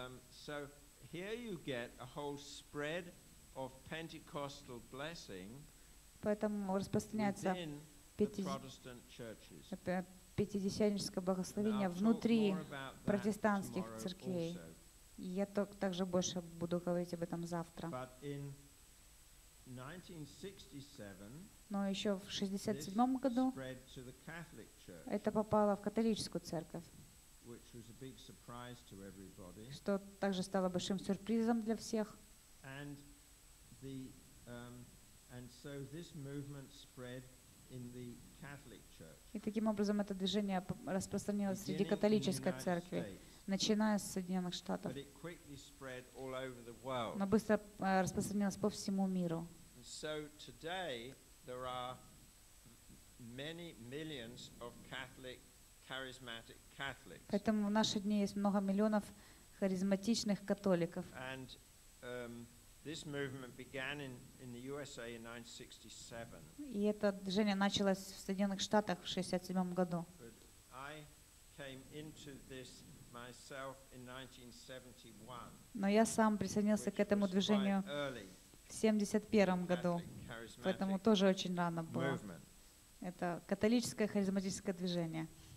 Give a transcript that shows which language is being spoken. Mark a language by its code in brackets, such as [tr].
[en] So here you get a whole spread of Pentecostal blessing within the Protestant churches. [ru] Пятидесятническое благословение внутри протестантских церквей. Я также больше буду говорить об этом завтра. [en] But in 1967, [ru] но еще в 67 году [en] spread to the Catholic Church. [ru] Это попало в католическую церковь. [en] Which was a big surprise to everybody. [ru] Что также стало большим сюрпризом для всех. [en] And the and so this movement spread in the Catholic Church. [ru] И таким образом это движение распространилось среди католической церкви, начиная с Соединенных Штатов. [en] But it quickly spread all over the world. [ru] Но быстро распространилось по всему миру. [en] So today there are many millions of Catholic charismatic Catholics. [ru] Поэтому в наши дни есть много миллионов харизматичных католиков. [en] And this movement began in the USA in 1967. [ru] И это движение началось в Соединенных Штатах в 67 году. [en] I came into this myself in 1971. [ru] Но я сам присоединился к этому движению в 71 году. Поэтому тоже очень рано было. Это католическое харизматическое движение.